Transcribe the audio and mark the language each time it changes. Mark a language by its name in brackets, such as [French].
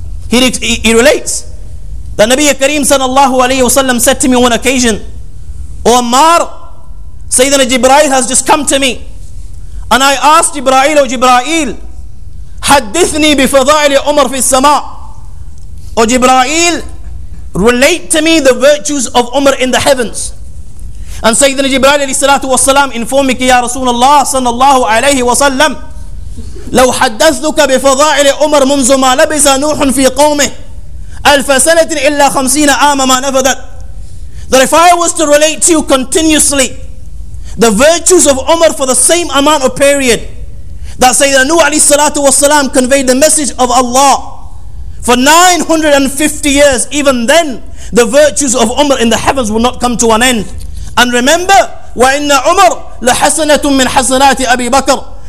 [English] He relates that Nabi Kareem sallallahu alayhi wa sallam said to me one occasion, "O Ammar, Sayyidina Jibreel has just come to me. And I asked Jibreel, O Jibreel, [Arabic] hadithni bi fada'il Umar fi sama'." [English] O Jibreel, relate to me the virtues of Umar in the heavens. And Sayyidina Jibreel alayhi salatu wa salam informed me, "Ya Rasulullah sallallahu alayhi wa sallam, [Arabic] لو حدثتك بفضائل عمر منذ ما لبس نوح في قومه ألف سنة إلا خمسين عاما ما نفذت." [English] That if I was to relate to you continuously the virtues of Umar for the same amount of period that Sayyidina Nuh alayhi salatu wasalam conveyed the message of Allah for 950 years, even then the virtues of Umar in the heavens would not come to an end. And remember, [Arabic] وَإِنَّ عُمَرْ لَحَسَنَةٌ مِّنْ حَسَنَاتِ أَبِي بَكَرْ.